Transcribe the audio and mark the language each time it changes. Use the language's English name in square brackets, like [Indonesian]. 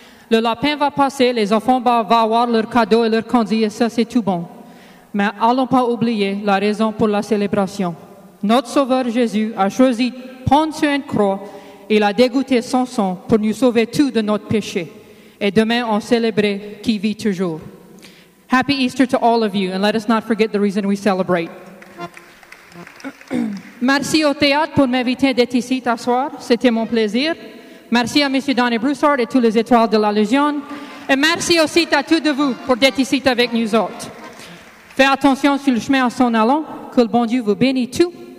[French] Le lapin va passer, les enfants vont avoir leurs cadeaux et leurs [English] candies, [French] et ça c'est tout bon. Mais allons pas oublier la raison pour la célébration. Notre Sauveur Jésus a choisi de prendre sur une croix et l'a dégoûté son sang pour nous sauver tous de notre péché. Et demain, on célébrera qui vit toujours. [English] Happy Easter to all of you, and let us not forget the reason we celebrate. [French] Merci au théâtre pour m'inviter d'être ici ce soir. C'était mon plaisir. Merci à Monsieur Donny Broussard et tous les étoiles de la Légion. Et merci aussi à tous de vous pour d'être ici avec nous autres. Faites attention sur le chemin en s'en allant. Que le bon Dieu vous bénisse tout.